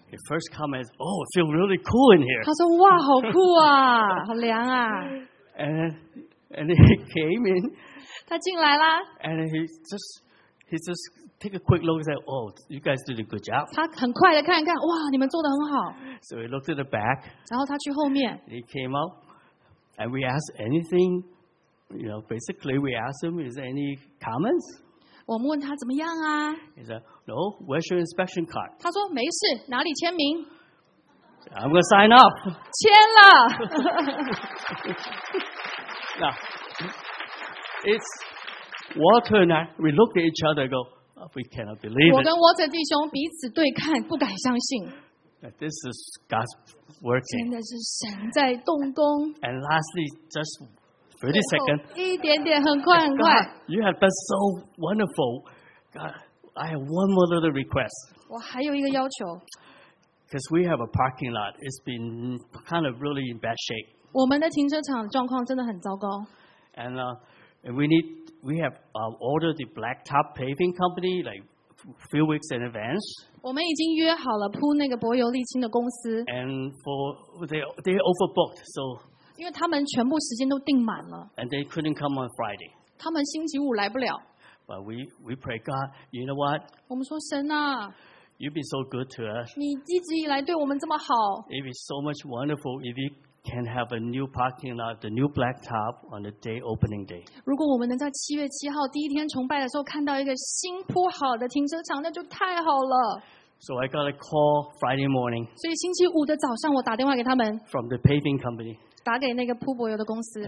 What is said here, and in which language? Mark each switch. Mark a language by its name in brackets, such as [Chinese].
[English] He first comments, "Oh, it feels really cool in here." [Chinese] 他说：“哇，好酷啊，好凉啊。 [English] ”And he came in. [Chinese] 他进来啦。 [English] And he just take a quick look and said, "Oh, you guys did a good job." [Chinese] 他很快的看一看，哇，你们做的很好。 [English] So he looked at the back. [Chinese] 然后他去后面。 [English] He came out, and we asked anything. You know, basically, we ask him, "Is there any comments?" [Chinese] 我们问他怎么样啊 [English] ？He said, "No. Where's your inspection card?" [Chinese] 他说没事，哪里签名 [English] ？I'm gonna sign up. [Chinese] 签了。 [English] Now, it's Walter and I. We looked at each other, go, "We cannot believe it." [Chinese] 我跟 Walter 弟兄彼此对看，不敢相信。 [English] This is God's working. [Chinese] 真的是神在动工。 [English] And lastly, just. Pretty second. [Chinese] 一点点，很快，很快。 [English] You have been so wonderful. God, I have one more little request. [Chinese] 我还有一个要求。 [English] Because we have a parking lot, it's been kind of really in bad shape. [Chinese] 我们的停车场状况真的很糟糕。 [English] And we have ordered the blacktop paving company like few weeks in advance. [Chinese] 我们已经约好了铺那个柏油沥青的公司。 [English] And for they overbooked so. [Chinese] 因为他们全部时间都订满了。 [English] And they couldn't come on Friday. [Chinese] 他们星期五来不了。 [English] But we pray God, you know what? [Chinese] 我们说神啊。 [English] You've been so good to us. [Chinese] 你一直以来对我们这么好。 [English] It'd be so much wonderful if you can have a new parking lot, the new blacktop on the day opening day. [Chinese] 如果我们能在七月七号第一天崇拜的时候看到一个新铺好的停车场，那就太好了。 [English] So I got a call Friday morning. [Chinese] 所以星期五的早上我打电话给他们。 [English] From the paving company. [Chinese] 打给那个铺柏油的公司。